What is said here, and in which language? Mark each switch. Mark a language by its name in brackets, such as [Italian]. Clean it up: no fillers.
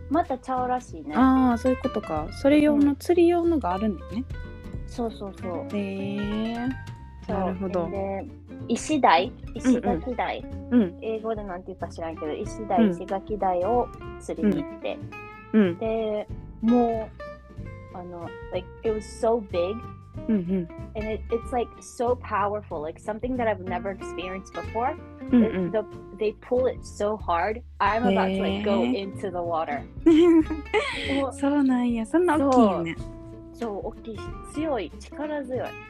[Japanese] またちゃうらしいね。あー、そういうことか。それ用の、釣り用のがあるんだよね。そうそうそう。へー、なるほど。で、石鯛、石垣鯛、うんうん、英語でなんて言うか知らんけど、石鯛、石垣鯛を釣りに行って、うんうんうん、で、もう、あの、 [English] like, it was so big, and it's like so powerful, like something that I've never experienced before. They pull it so hard, I'm about to like go into the water. [Japanese] そうなんや、そんな大きいよね。そう、大きい、強い、力強い。